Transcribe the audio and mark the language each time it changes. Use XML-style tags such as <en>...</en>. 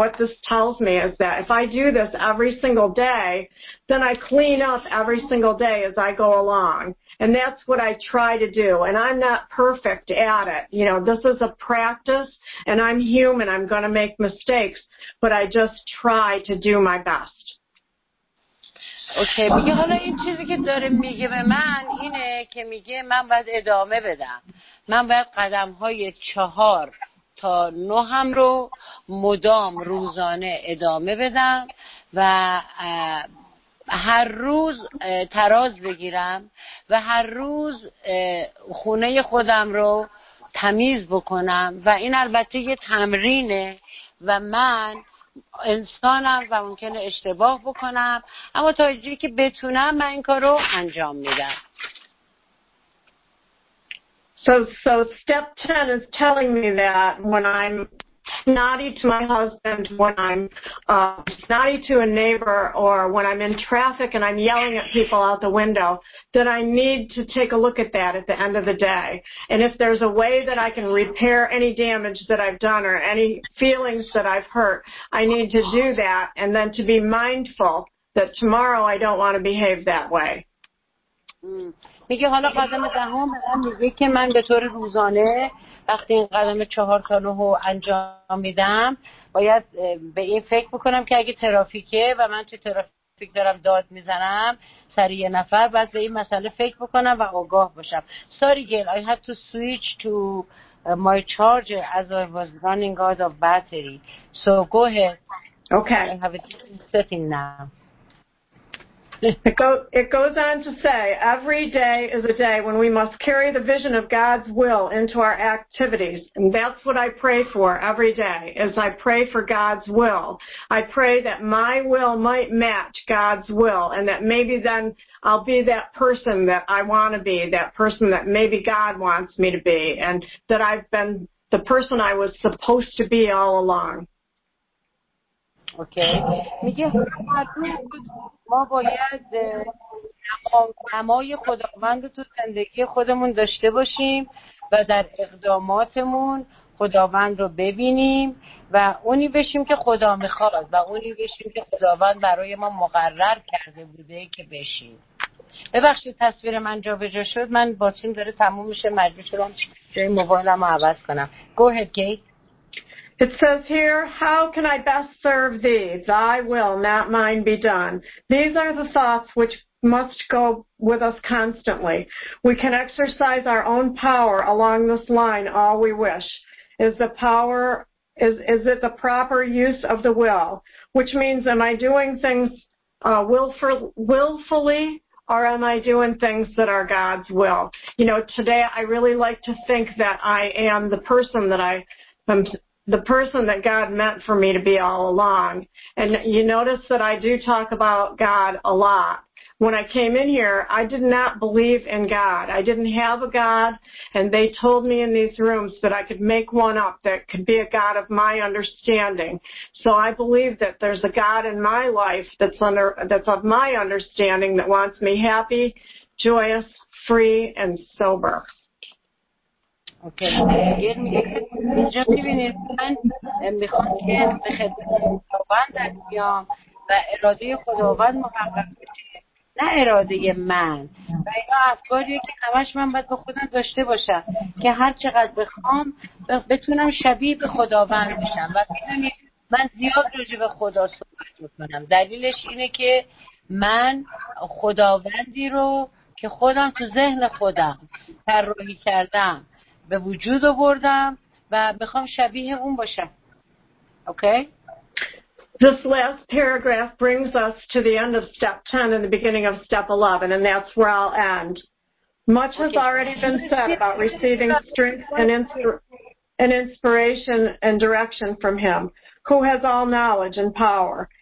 <en>What this tells me is that if I do this every single day, then I clean up every single day as I go along. And that's what I try to do. And I'm not perfect at it. You know, this is a practice, and I'm human. I'm going to make mistakes, but I just try to do my best.</en> <fa>اوکی میگه حالا این چیزی که داره میگه به من اینه که میگه من باید ادامه بدم، من باید قدم های 4 تا 9 هم رو مدام روزانه ادامه بدم و هر روز تراز بگیرم و هر روز خونه خودم رو تمیز بکنم. و این البته یه تمرینه و من انسانم و ممکنه اشتباه بکنم، اما تا جایی که بتونم من این کارو انجام میدم.</fa> <en>So step 10 is telling me that when I'm snotty to my husband, when I'm snotty to a neighbor, or when I'm in traffic and I'm yelling at people out the window, that I need to take a look at that at the end of the day. And if there's a way that I can repair any damage that I've done or any feelings that I've hurt, I need to do that, and then to be mindful that tomorrow I don't want to behave that way.</en> <fa>میگه حالا قدم 10 میگه که من به طور روزانه وقتی این قدم 4 تا 9 رو انجام میدم باید به این فکر بکنم که اگه ترافیکه و من تو ترافیک دارم داد میزنم سریع نفر، باید به این مسئله فکر بکنم و آگاه باشم.</fa> <en>Sorry girl, I have to switch to my charger as I was running out of battery. So go ahead. Okay. I have it sitting now. It goes on to say, every day is a day when we must carry the vision of God's will into our activities. And that's what I pray for every day, is I pray for God's will. I pray that my will might match God's will, and that maybe then I'll be that person that I want to be, that person that maybe God wants me to be, and that I've been the person I was supposed to be all along. Okay.</en> <fa>میگه هر روز ما باید نمای خداوند تو زندگی خودمون داشته باشیم و در اقداماتمون خداوند رو ببینیم و اونی بشیم که خدا میخواد و اونی بشیم که خداوند برای ما مقرر کرده بوده که بشیم. ببخشید تصویر من جابجا شد، من باتریم داره تموم میشه، مجبور شدم جای موبایلمو عوض کنم.</fa> <en>Go ahead, Kate. It says here, how can I best serve thee? Thy will, not mine, be done. These are the thoughts which must go with us constantly. We can exercise our own power along this line all we wish. Is it the proper use of the will? Which means, am I doing things willfully? Or am I doing things that are God's will? You know, today I really like to think that I am the person that I am, the person that God meant for me to be all along. And you notice that I do talk about God a lot. When I came in here, I did not believe in God. I didn't have a God, and they told me in these rooms that I could make one up that could be a God of my understanding. So I believe that there's a God in my life that's of my understanding, that wants me happy, joyous, free, and sober.</en> <fa>اوکی میگه اینجا میبینید من میخوام که به خدمت خداوند بیام و اراده خداوند محقق بشه، نه اراده من. و اینا افکاریه که همش من باید به خودم داشته باشم که هر چقدر بخوام بتونم شبیه به خداوند بشم. و ببینید من زیاد راجع به خدا صحبت میکنم، دلیلش اینه که من خداوندی رو که خودم تو ذهن خودم طراحی کردم به وجود آوردم و میخوام شبیه اون باشم.</fa> <en>Okay. This last paragraph brings us to the end of step 10 and the beginning of step 11, and that's where I'll end. Much has already been said about receiving strength and inspiration and direction from him who has all knowledge and power.</en>